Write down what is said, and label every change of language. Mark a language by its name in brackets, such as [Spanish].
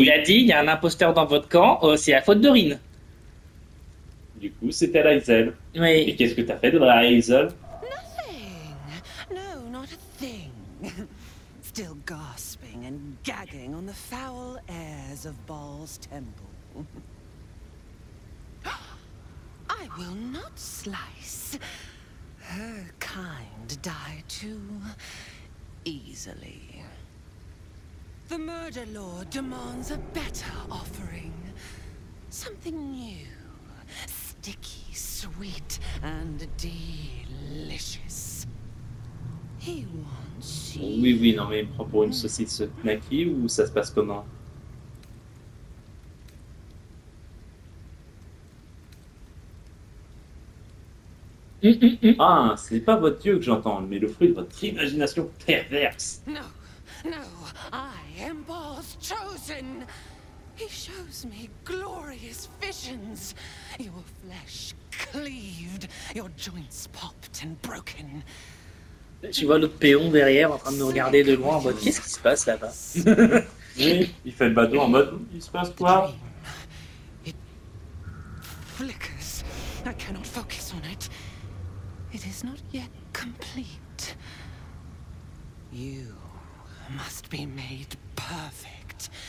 [French] Il a dit, il y a un imposteur dans votre camp, c'est la faute de Rin. Du coup, c'était Lysel. Oui. Et qu'est-ce que t'as fait de Lysel? [English] Nothing. No, not a thing. Still gasping and gagging on the foul airs of Baal's temple. I will not slice. Her kind die too easily. The murder lord demands a better offering. Something new, sticky, sweet, and delicious. He wants you. [French] Oui, oui, non, mais il me prend pour une saucisse knacky ou ça se passe comment? Ah, c'est pas votre dieu que j'entends, mais le fruit de votre imagination perverse. Non, non, [English] I am Baal's chosen. He shows me glorious visions. Your flesh cleaved, your joints popped and broken. [French] Tu vois l'autre péon derrière en train de me regarder de loin en mode qu'est-ce qui se passe là-bas? Oui, il fait le bateau en mode il se passe quoi? [English] It flickers. I cannot focus on it. It is not yet complete. You must be made perfect.